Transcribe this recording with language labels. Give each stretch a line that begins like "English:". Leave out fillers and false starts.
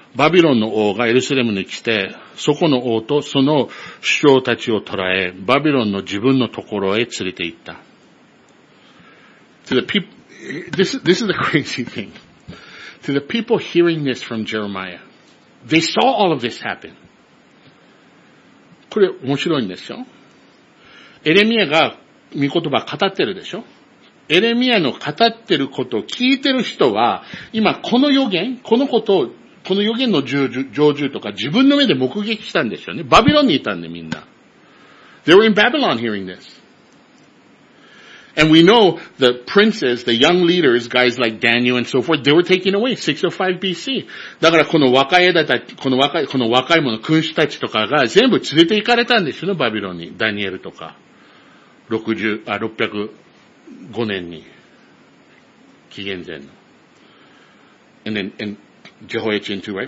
Japanese: バビロンの王がエルサレムに来て、そこの王とその首長たちを捕らえ、バビロンの自分のところへ連れて行った。
English: To the people, this is the crazy thing. To the people hearing this from Jeremiah, they saw all of this happen.
Japanese: これ面白いんですよ。エレミアが御言葉を語ってるでしょ。エレミアの語ってることを聞いてる人は、今この予言、このことを、この予言の成就とか自分の目で目撃したんですよね。バビロンにいたんでみんな。
English: They were in Babylon hearing this. And we know the princes, the young leaders, guys like Daniel and so forth, they were taken away, 605 BC.
Japanese: だからこの若い者、君主たちとかが全部連れて行かれたんですよね、バビロンに。ダニエルとか。605年に紀元前の
English: and then and ジェホヤチン2, right?